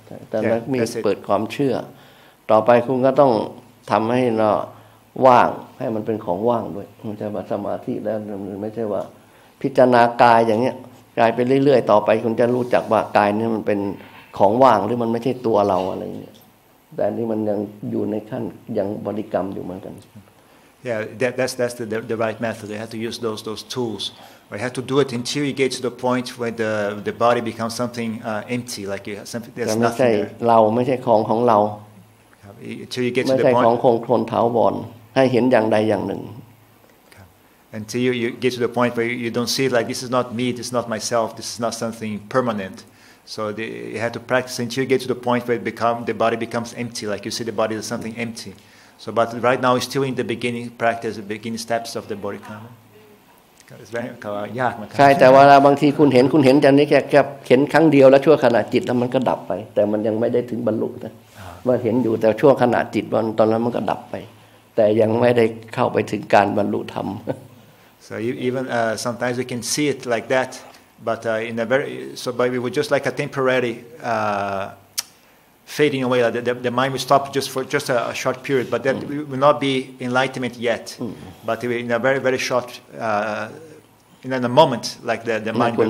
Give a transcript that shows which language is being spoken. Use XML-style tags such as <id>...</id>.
<th>แต่แล้วมีเปิดความเชื่อต่อไปคุณก็ต้องทำให้เราว่างให้มันเป็นของว่างด้วยไม่ใช่ว่าสมาธิแล้วไม่ใช่ว่าพิจารณากายอย่างเงี้ยกายไปเรื่อยๆต่อไปคุณจะรู้จักว่ากายนี่มันเป็นของว่างหรือมันไม่ใช่ตัวเราอะไรเงี้ยแต่อันนี้มันยังอยู่ในขั้นยังบริกรรมอยู่เหมือนกัน</th> <en>Yeah, that's the right method. You have to use those tools. You have to do it until you get to the point where the body becomes something empty, like you have something, there's nothing there.</en> <th>เราไม่ใช่ของของเรา</th> <en>Until you get to the point.</en> <th>ไม่ใช่ของคงทนถาวรให้เห็นอย่างใดอย่างหนึ่ง</th> <en>Until you get to the point where you don't see it like this is not me, this is not myself, this is not something permanent. So you have to practice until you get to the point where the body becomes empty, like you see the body as something empty. So, but right now it's still in the beginning practice, the beginning steps of the body karma. It's very hard.</en> <th>ใช่แต่ว่าบางทีคุณเห็นจะนี่แค่เห็นครั้งเดียวแล้วชั่วขณะจิตแล้วมันก็ดับไปแต่มันยังไม่ได้ถึงบรรลุนะว่าเห็นอยู่แต่ชั่วขณะจิตตอนนั้นมันก็ดับไปแต่ยังไม่ได้เข้าไปถึงการบรรลุธรรม</th> <en>So even sometimes we can see it like that. But in a very so, but it was just like a temporary fading away. Like the mind will stop just for just a short period. But that will not be enlightenment yet. Mm. But in a very very short in a moment, like the mind will</en>